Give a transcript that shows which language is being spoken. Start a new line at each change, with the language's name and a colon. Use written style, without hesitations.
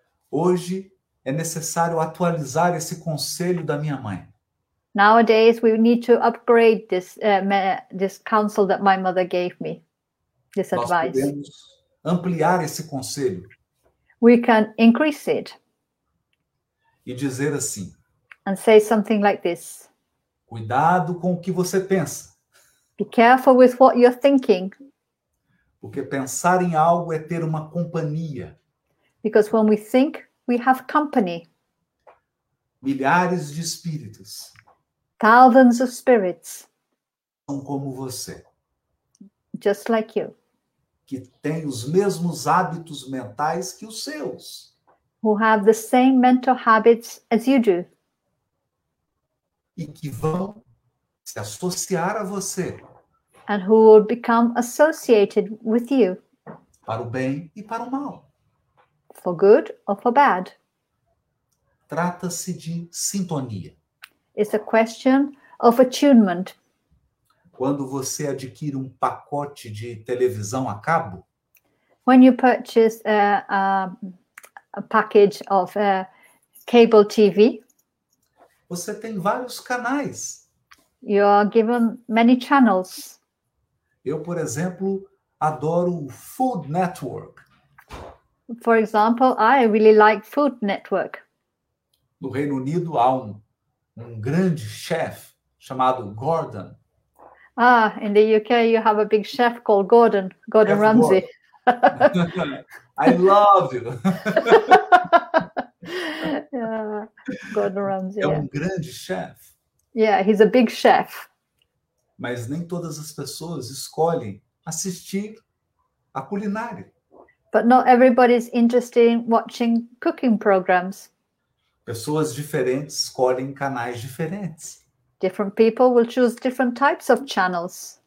Portuguese: Hoje, é necessário atualizar esse conselho da minha mãe.
English: Nowadays, we need to upgrade this, this counsel that my mother gave me, this
Portuguese: Nós
English: advice.
Portuguese: Nós podemos ampliar esse conselho.
English: We can increase it.
Portuguese: E dizer assim.
English: And say something like this.
Portuguese: Cuidado com o que você pensa.
English: Be careful with what you're thinking.
Portuguese: Porque pensar em algo é ter uma companhia.
English: Because when we think, we have company.
Portuguese: Milhares de espíritos.
English: Thousands of spirits.
Portuguese: São como você.
English: Just like you.
Portuguese: Que têm os mesmos hábitos mentais que os seus.
English: Who have the same mental habits as you do.
Portuguese: E que vão se associar a você.
English: And who will become associated with you.
Portuguese: Para o bem e para o mal.
English: For good or for bad.
Portuguese: Trata-se de sintonia.
English: It's a question of attunement.
Portuguese: Quando você adquire pacote de televisão a cabo,
English: when you purchase a package of cable TV,
Portuguese: você tem vários canais.
English: You are given many channels.
Portuguese: Eu, por exemplo, adoro o Food Network.
English: For example, I really like Food Network.
Portuguese: No Reino Unido há grande chef chamado Gordon.
English: Ah, in the UK you have a big chef called Gordon, Gordon Ramsay. I love you. Gordon Ramsay.
Portuguese: Grande chef.
English: Yeah, he's a big chef.
Portuguese: Mas nem todas as pessoas escolhem assistir a culinária.
English: But not everybody's interested in watching cooking programs.
Portuguese: Pessoas diferentes escolhem canais diferentes.
English: Different people will choose different types of channels.